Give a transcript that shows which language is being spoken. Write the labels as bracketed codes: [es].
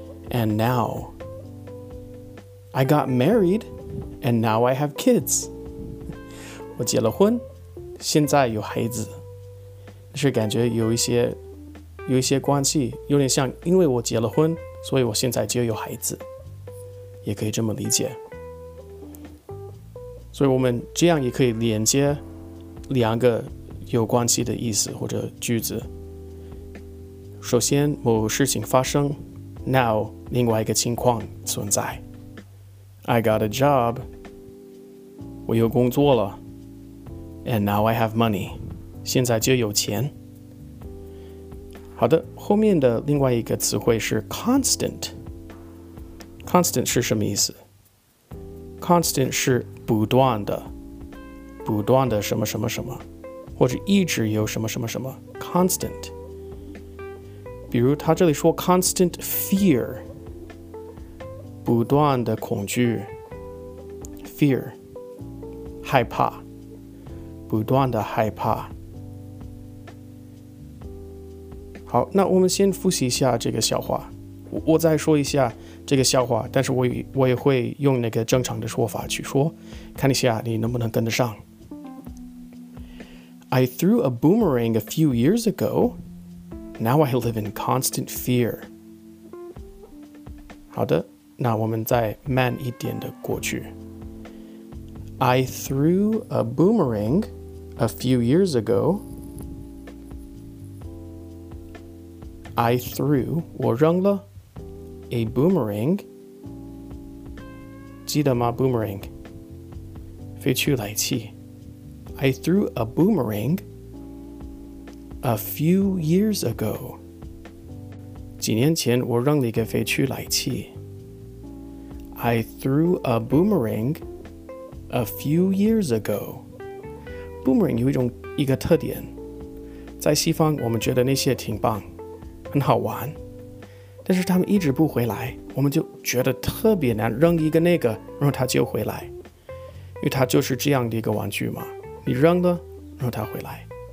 [en] And now I got married and now I have kids， [zh] 我结了婚，现在有孩子，是感觉有一些关系，有点像因为我结了婚所以我现在就有孩子，也可以这么理解。所以我们这样也可以连接两个有关系的意思或者句子，首先某事情发生， now 另外一个情况存在。 [en] I got a job， [zh] 我有工作了。 [en] And now I have money， [zh] 现在就有钱。好的，后面的另外一个词汇是 constant。 Constant 是什么意思？Constant 是不断的，不断的什么什么什么，或者一直有什么什么什么。 Constant，比如他这里说 constant fear， 不断的恐惧， fear， 害怕，不断的害怕。好，那我们先复习一下这个笑话。我再说一下这个笑话，但是我也会用那个正常的说法去说，看一下你能不能跟得上。 [en] I threw a boomerang a few years ago， Now I live in constant fear. [zh] 好的，那我们再慢一点的过去。 [en] I threw a boomerang a few years ago. I threw, [zh] 我扔了 [en] a boomerang. [zh] 记得吗 ?boomerang. 飞去来器。 [en] I threw a boomerang a few years ago. [zh] 几年前我扔了一个飞去来器。 [en] I threw a boomerang a few years ago. [zh] Boomerang 有一种一个特点。在西方我们觉得那些挺棒很好玩。但是他们一直不回来我们就觉得特别难扔一个那个然后他就回来。因为他就是这样的一个玩具嘛。你扔了然后他回来。